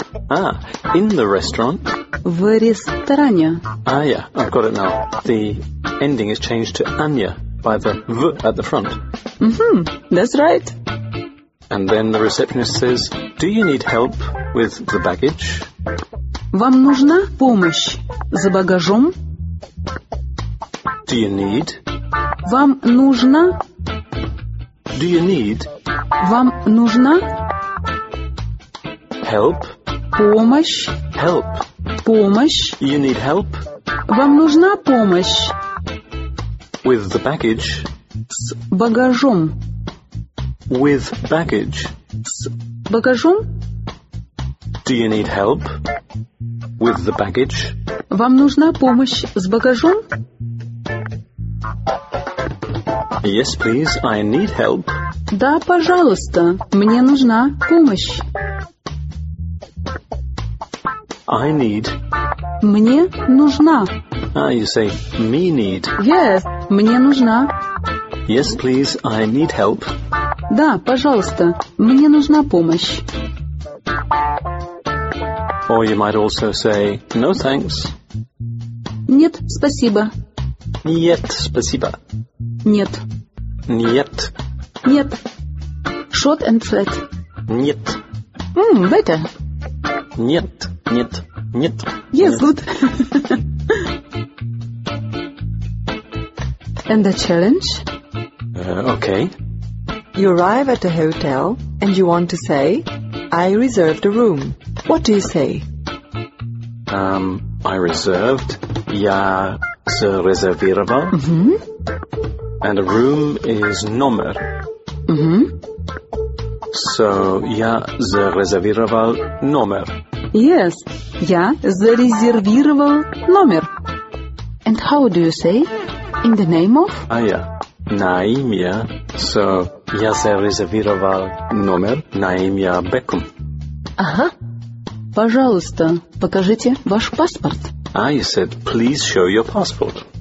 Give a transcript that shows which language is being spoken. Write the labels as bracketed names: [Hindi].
[English] Ah, in the restaurant. [Russian] В ресторане. [English] Ah, yeah, I've got it now. The ending is changed to Anya by the V at the front. Mm-hmm, that's right. And then the receptionist says, do you need help with the baggage? [Russian] Вам нужна помощь за багажом? [English] Do you need? [Russian] Вам нужна? [English] Do you need? [Russian] Вам нужна? [English] Help. [Russian] Помощь. [English] Help. [Russian] Помощь. [English] You need help? [Russian] Вам нужна помощь? [English] With the baggage. [Russian] С багажом. [English] With baggage. [Russian] С багажом? [English] Do you need help? With the baggage. [Russian] Вам нужна помощь с багажом? [English] Yes, please, I need help. [Russian] Да, пожалуйста, мне нужна помощь. [English] I need. [Russian] Мне нужна. [English] Ah, you say, me need. Yes, [Russian] мне нужна. [English] Yes, please, I need help. [Russian] Да, пожалуйста, мне нужна помощь. [English] Or you might also say, no thanks. [Russian] Нет, спасибо. Нет, спасибо. Нет. Нет. Нет. [English] Short and flat. [Russian] Нет. [English] Better. [Russian] Нет, нет, нет. [English] Yes, good. And the challenge? Okay. You arrive at the hotel and you want to say, I reserved a room. What do you say? I reserved. [Russian] Я зарезервировал. Mm-hmm. [English] And a room is номер. Mm-hmm. [Russian] So, я зарезервировал номер. Yes, я зарезервировал номер. [English] And how do you say? In the name of? [Russian] Ah, yeah. На имя. So, я зарезервировал номер. На имя Беком. Ага. Пожалуйста, покажите ваш паспорт. [English] Ah, you said, please show your passport.